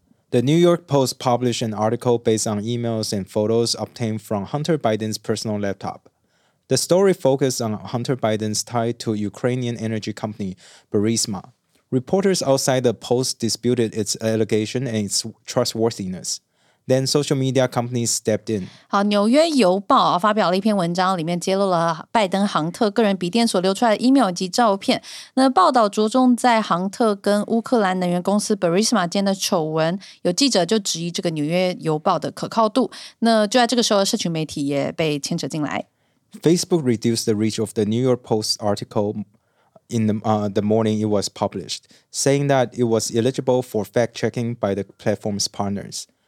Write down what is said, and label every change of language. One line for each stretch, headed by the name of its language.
English: The New York Post published an article based on emails and photos obtained from Hunter Biden's personal laptop. The story focused on Hunter Biden's tie to Ukrainian energy company Burisma. Reporters outside the Post disputed its allegation and its trustworthiness. Then social media companies stepped in.
Chinese: 好，纽约邮报发表了一篇文章，里面揭露了拜登杭特个人笔电所流出来的 email 及照片。那报道着重在杭特跟乌克兰能源公司 Burisma 间的丑闻，有记者就质疑这个纽约邮报的可靠度。那就在这个时候，社群媒体也被牵扯进来。
English: Facebook reduced the reach of the New York Post article in the morning it was published, saying that it was eligible for fact checking by the platform's partners.